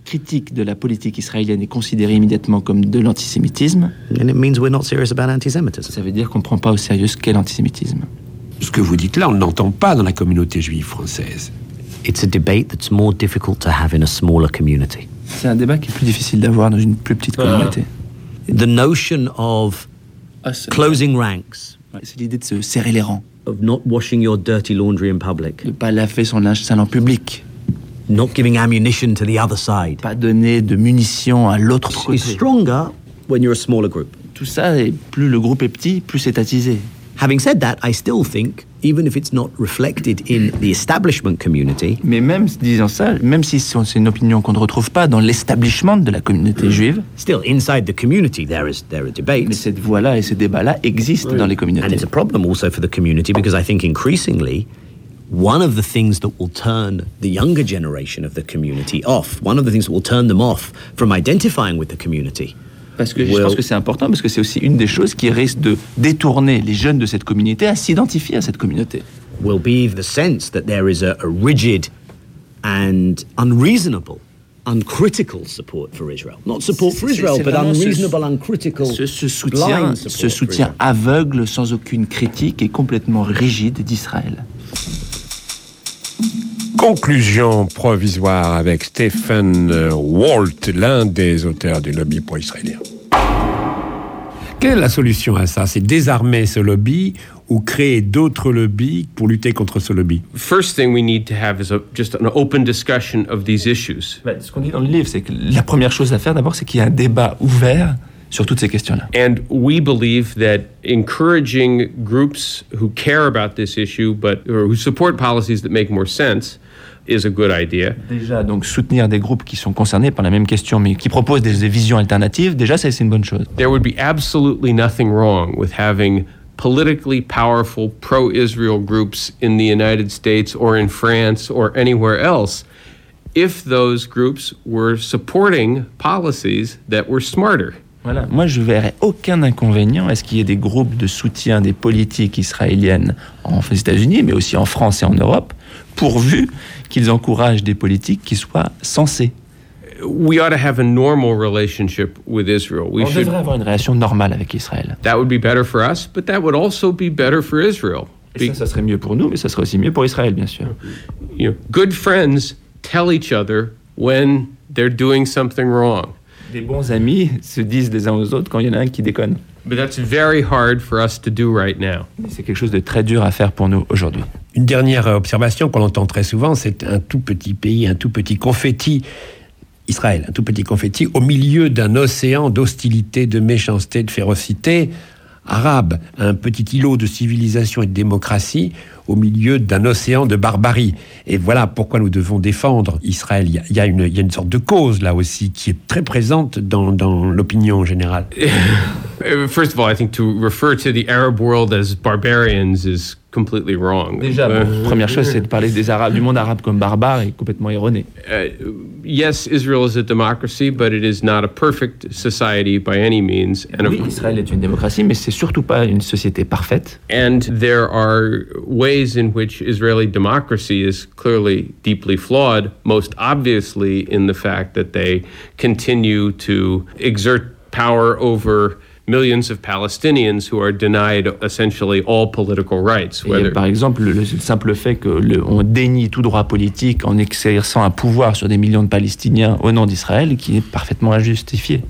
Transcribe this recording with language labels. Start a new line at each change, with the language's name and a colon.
French: critique de la politique israélienne est considérée immédiatement comme de l'antisémitisme,
English: then it means we're not serious about antisémitisme.
French: Ça veut dire qu'on ne prend pas au sérieux ce qu'est l'antisémitisme. Ce que vous dites là, on ne l'entend pas dans la communauté juive française.
English: It's a debate that's more difficult to have in a smaller community.
French: C'est un débat qui est plus difficile d'avoir dans une plus petite communauté.
English: The notion of closing ranks.
French: C'est l'idée de se serrer les rangs.
English: Of not washing your dirty laundry in public.
French: De pas laver son linge sale en public.
English: Not giving ammunition to the other side.
French: Pas donner de munitions à l'autre côté.
English: It's stronger when you're a smaller group.
French: Tout ça, et plus le groupe est petit, plus c'est attisé.
English: Having said that, I still think, even if it's not reflected in the establishment community,
French: mais même disant ça, même si c'est une opinion qu'on ne retrouve pas dans l'establishment de la communauté juive,
English: still inside the community there are debates.
French: Mais cette voix-là et ces débats-là existent dans les communautés.
English: And it's a problem also for the community because I think increasingly, one of the things that will turn the younger generation of the community off, one of the things that will turn them off from identifying with the community.
French: Parce que je pense que c'est important, parce que c'est aussi une des choses qui risque de détourner les jeunes de cette communauté à s'identifier à cette communauté.
English: Will be the sense that there is a rigid and unreasonable, uncritical support for Israel. Not support for Israel, but unreasonable, uncritical, blind support.
French: Ce soutien aveugle, sans aucune critique et complètement rigide d'Israël. Conclusion provisoire avec Stephen Walt, l'un des auteurs du lobby pro-israélien. Quelle est la solution à ça? C'est désarmer ce lobby ou créer d'autres lobbies pour lutter contre ce lobby?
English: First thing we need to have is just an open discussion of these issues.
French: Mais ce qu'on dit dans le livre, c'est que la première chose à faire d'abord, c'est qu'il y ait un débat ouvert sur toutes ces questions-là.
English: And we believe that encouraging groups who care about this issue but or who support policies that make more sense is a good idea.
French: Déjà, donc soutenir des groupes qui sont concernés par la même question mais qui proposent des visions alternatives, déjà ça c'est une bonne chose.
English: There would be absolutely nothing wrong with having politically powerful pro-Israel groups in the United States or in France or anywhere else if those groups were supporting policies that were smarter.
French: Voilà. Moi, je ne verrais aucun inconvénient à ce qu'il y ait des groupes de soutien des politiques israéliennes aux États-Unis, mais aussi en France et en Europe, pourvu qu'ils encouragent des politiques qui soient sensées.
English: We ought to have a normal relationship with Israel. We
French: On devrait avoir une relation normale avec Israël.
English: That would be better for us, but that would also be better for Israel.
French: Ça serait mieux pour nous, mais ça serait aussi mieux pour Israël, bien sûr.
English: You know, good friends tell each other when they're doing something wrong.
French: Des bons amis se disent les uns aux autres quand il y en a un qui déconne.
English: But that's very hard for us to do right now.
French: C'est quelque chose de très dur à faire pour nous aujourd'hui. Une dernière observation qu'on entend très souvent, c'est un tout petit pays, un tout petit confetti, Israël, un tout petit confetti, au milieu d'un océan d'hostilité, de méchanceté, de férocité arabe, un petit îlot de civilisation et de démocratie au milieu d'un océan de barbarie. Et voilà pourquoi nous devons défendre Israël. Il y a une sorte de cause là aussi qui est très présente dans l'opinion générale.
English: First of all, I think to refer to the Arab world as barbarians is completely wrong.
French: Déjà, première chose, c'est de parler des Arabes, du monde arabe comme barbare est complètement erroné.
English: Yes, Israel is a democracy, but it is not a perfect society by any means. And
French: oui, Israël est une démocratie, mais c'est surtout pas une société parfaite.
English: And there are ways in which Israeli democracy is clearly deeply flawed, most obviously in the fact that they continue to exert power over millions of Palestinians who are denied essentially all political rights. Whether...
French: Par exemple, le simple fait qu'on dénie tout droit politique en exerçant un pouvoir sur des millions de Palestiniens au nom d'Israël, qui est parfaitement injustifié.